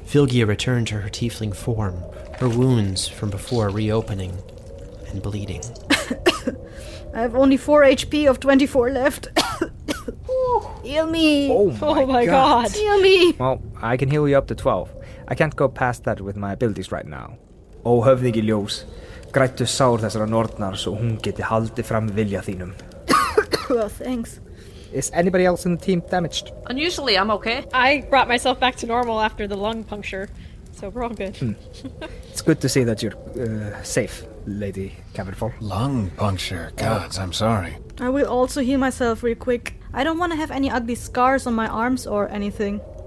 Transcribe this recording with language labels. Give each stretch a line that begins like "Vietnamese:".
English: Filgia returned to her tiefling form, her wounds from before reopening and bleeding. I have only 4 HP of 24 left. Heal me! Oh my god! Heal me! Well, I can heal you up to 12. I can't go past that with my abilities right now. Oh, hövdingiljus.
Icelandic: Grættu sár þessara nornar svo hún geti haldið fram vilja þínum.
English: Well, thanks. Is anybody else in the team damaged? Unusually, I'm okay. I brought myself back to normal after the lung puncture, so we're all good. It's good to see that you're safe, Lady Cavernfall. Lung puncture? Gods, I'm sorry. I will also heal myself real quick. I don't want to have any ugly scars on my arms or anything.